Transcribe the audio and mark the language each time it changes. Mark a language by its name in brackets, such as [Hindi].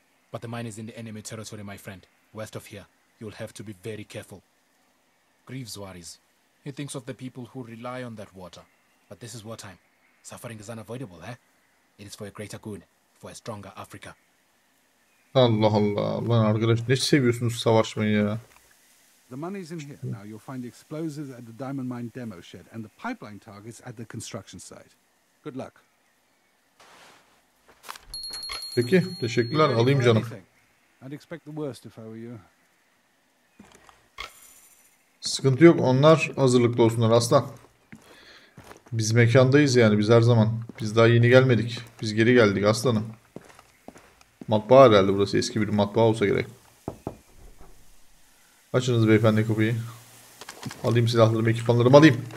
[English] But the mine is in the enemy territory, my friend. west of here, you'll have to be very careful. Greaves worries. He thinks of the people who rely on that water. But this is wartime. Suffering is unavoidable, eh? It is for a greater good, for a stronger Africa. [Turkish] Allah Allah, lan arkadaş ne seviyorsunuz savaşmayı ya? [English] The money's in here. Now you'll find the explosives at the diamond mine demo shed and the pipeline targets at the construction site. Good luck. [Turkish] Peki, teşekkürler. Alayım canım. [English] I'd expect the worst if I were you. [Turkish] Sıkıntı yok. Onlar hazırlıklı olsunlar aslan. Biz mekandayız yani. Biz her zaman. Biz daha yeni gelmedik. Biz geri geldik aslanım. Matbaa herhalde burası. Eski bir matbaa olsa gerek. Açınız beyefendi kapıyı. Alayım silahlarımı, ekipmanlarımı alayım.